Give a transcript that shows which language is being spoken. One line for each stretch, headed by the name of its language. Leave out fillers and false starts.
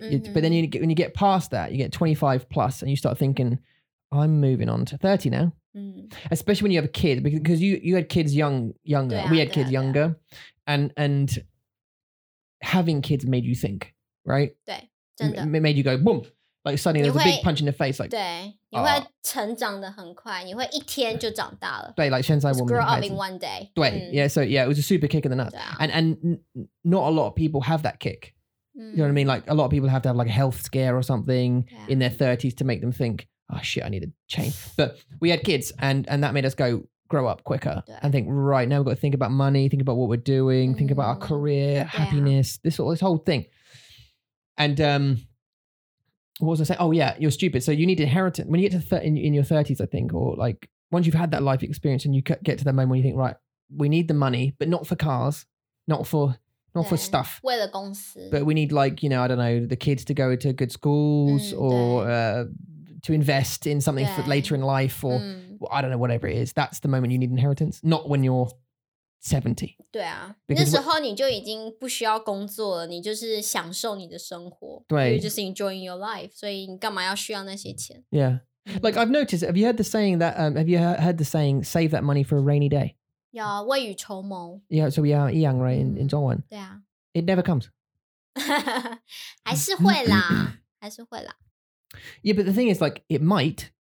English: But then when you get past that, you get 25 plus and you start thinking, I'm moving on to 30 now. Especially when you have a kid, because you had kids younger. We had kids younger. And having kids made you think, right? It made you go, boom. Like suddenly there's a big punch in the face. Like,
Chinese: 你会成长得很快，你会一天就长大了。
English: 对, like, grow up in one day. 对, yeah, so yeah, it was a super kick in the nuts. And not a lot of people have that kick. You know what I mean? Like a lot of people have to have like a health scare or something in their 30s to make them think, oh shit, I need a change. But we had kids and that made us go grow up quicker and think, right, now we've got to think about money, think about what we're doing, think about our career, happiness, this whole thing. And what was I saying? Oh yeah, you're stupid. So you need inheritance. When you get to in your 30s, I think, or like once you've had that life experience and you get to that moment where you think, right, we need the money, but not for cars, not for stuff. But we need like, you know, I don't know, the kids to go to good schools or to invest in something for later in life or well, I don't know, whatever it is. That's the moment you need inheritance, not when you're 70.
Chinese: 那时候你就已经不需要工作了，你就是享受你的生活。
English: You're just enjoying your life.
Chinese: 所以你干嘛要需要那些钱？
English: Yeah. Like I've noticed, have you heard the saying that, have you heard the saying, save that money for a rainy day? Yeah,
Chinese: 未雨绸缪。
English: Yeah, so we are yang, right, in 中文。
Chinese: 对啊。
English: It never comes.
Chinese: 还是会啦, 还是会啦。
English: Yeah, but the thing is like, it might.